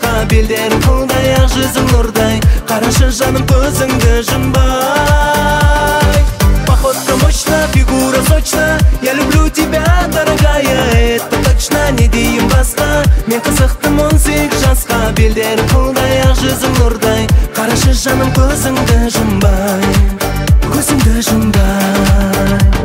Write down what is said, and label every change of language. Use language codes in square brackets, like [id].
[kk] Белдері қылдай, ақ жүзің нұрдай, қарашы жаным көзіңді жұмбай. [ru] Походка мощна, фигура сочна, я люблю тебя, дорогая, это точно. [kk] Не дейін басқа, мен қызықтым он сегіз жасқа. Белдері қылдай, ақ жүзің нұрдай, қарашы жаным көзіңді жұмбай, көзіңді жұмбай.